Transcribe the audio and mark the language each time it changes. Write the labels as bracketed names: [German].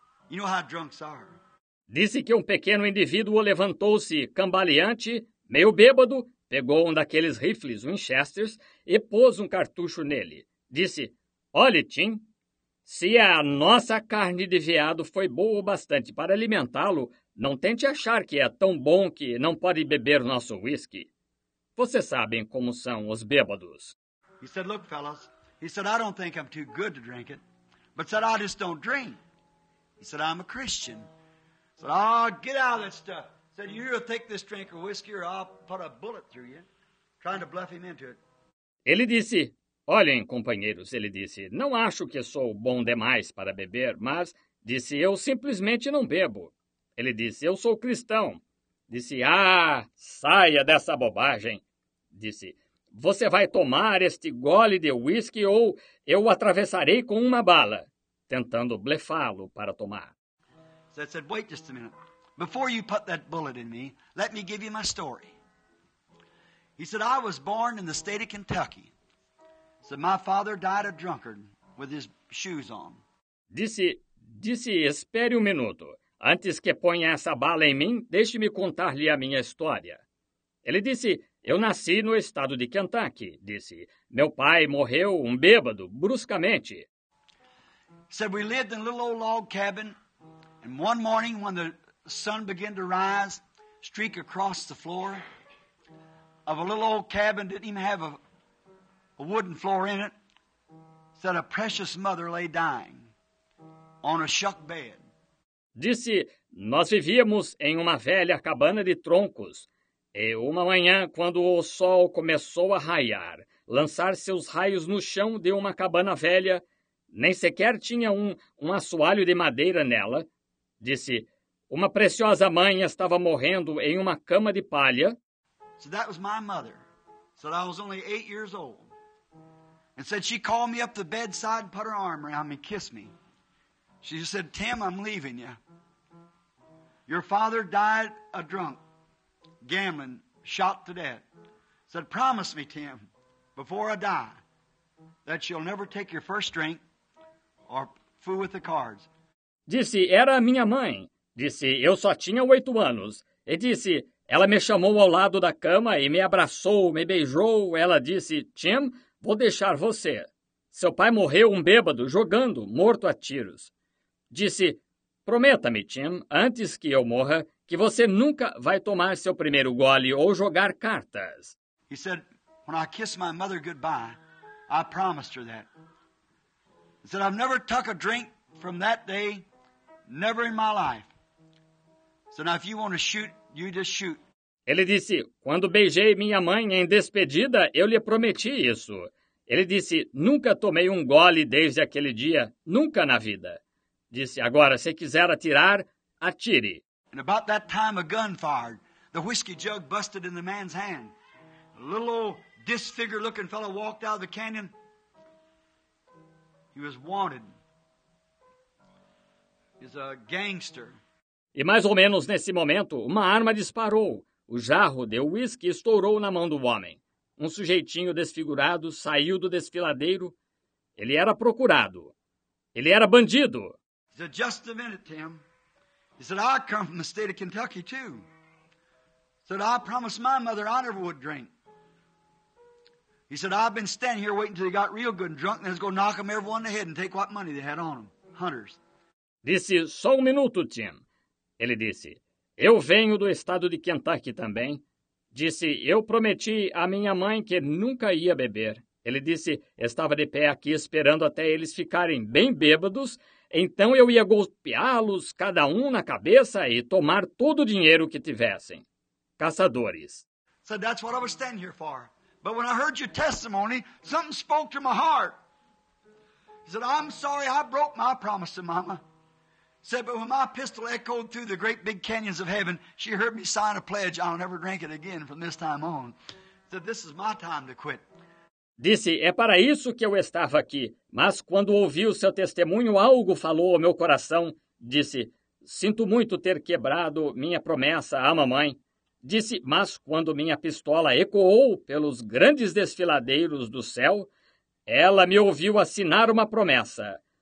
[English] You know how drunks are. [Portuguese] Disse que um pequeno indivíduo levantou-se cambaleante, meio bêbado, pegou um daqueles rifles Winchesters e pôs um cartucho nele. Disse, olhe, Tim, se a nossa carne de veado foi boa o bastante para alimentá-lo, não tente achar que é tão bom que não pode beber nosso whisky. Vocês sabem como são os bêbados. [English] He said, look, fellas. He said, I don't think I'm too good to drink it. But said, I just don't drink. He said, I'm a Christian. He said, oh, get out of that stuff. He said, you either take this drink of whiskey or I'll put a bullet through you. Trying to bluff him into it. [Portuguese] Ele disse, olhem, companheiros, ele disse, não acho que sou bom demais para beber, mas, disse, eu simplesmente não bebo. Ele disse, eu sou cristão. Disse, ah, saia dessa bobagem. Disse, você vai tomar este gole de whisky ou eu o atravessarei com uma bala, tentando blefá-lo para tomar. [English] So I said, wait just a minute. Before you put that bullet in me, let me give you my story. He said, I was born in the state of Kentucky. So my father died a drunkard with his shoes on. [Portuguese] Disse, espere um minuto. Antes que ponha essa bala em mim, deixe-me contar-lhe a minha história. Ele disse, eu nasci no estado de Kentucky. Disse, meu pai morreu um bêbado, bruscamente. [English] Said, we lived in a little old log cabin. And one morning when the sun began to rise, streak across the floor of a little old cabin, didn't even have a wooden floor in it. Said, a precious mother lay dying on a shuck bed. [Portuguese] Disse, nós vivíamos em uma velha cabana de troncos. E uma manhã, quando o sol começou a raiar, lançar seus raios no chão de uma cabana velha, nem sequer tinha um assoalho de madeira nela. Disse, uma preciosa mãe estava morrendo em uma cama de palha. [English] So that was my mother. Said I was only 8 years old. And said she called me up the bedside and put her arm around me, kissed me. She just said, Tim, I'm leaving you. Your father died a drunk, gambling, shot to death. Said, promise me, Tim, before I die, that you'll never take your first drink or fool with the cards. [Portuguese] Disse, era minha mãe. Disse, eu só tinha 8 anos. E disse, ela me chamou ao lado da cama e me abraçou, me beijou. Ela disse, Tim, vou deixar você. Seu pai morreu um bêbado, jogando, morto a tiros. Disse, prometa-me, Tim, antes que eu morra, que você nunca vai tomar seu primeiro gole ou jogar cartas. [English] He said, when I kissed my mother goodbye, I promised her that. He said, I've never took a drink from that day, never in my life. So now if you want to shoot, you just shoot. [Portuguese] Ele disse, quando beijei minha mãe em despedida, eu lhe prometi isso. Ele disse, nunca tomei um gole desde aquele dia, nunca na vida. Disse, agora, se quiser atirar, atire. [English] And about that time a gun fired. The whiskey jug busted in the man's hand. A little old disfigured looking fellow walked out of the canyon. He was wanted. He's a gangster. [Portuguese] E mais ou menos nesse momento, uma arma disparou. O jarro de whisky estourou na mão do homem. Um sujeitinho desfigurado saiu do desfiladeiro. Ele era procurado. Ele era bandido. [English] He said, just a minute, Tim. He said, I come from the state of Kentucky, too. He said, I promised my mother I never would drink. He said, I've been standing here waiting until they got real good and drunk, and I was going to knock them everyone in the head and take what money they had on them, hunters. [Portuguese] Disse, só um minuto, Tim. Ele disse, eu venho do estado de Kentucky também. Disse, eu prometi à minha mãe que nunca ia beber. Ele disse, estava de pé aqui esperando até eles ficarem bem bêbados, então eu ia golpeá-los cada um na cabeça e tomar todo o dinheiro que tivessem. Caçadores. [English] So that's what I was standing here for. But when I heard your testimony, something spoke to my heart. He said, I'm sorry I broke my promise to mama. He said, but when my pistol echoed through the great big canyons of heaven, she heard me sign a pledge I'll never drink it again from this time on. He said, this is my time to quit. [Portuguese] Disse, é para isso que eu estava aqui. Mas quando ouvi o seu testemunho, algo falou ao meu coração. Disse, sinto muito ter quebrado minha promessa à mamãe. Disse, mas quando minha pistola ecoou pelos grandes desfiladeiros do céu, ela me ouviu assinar uma promessa.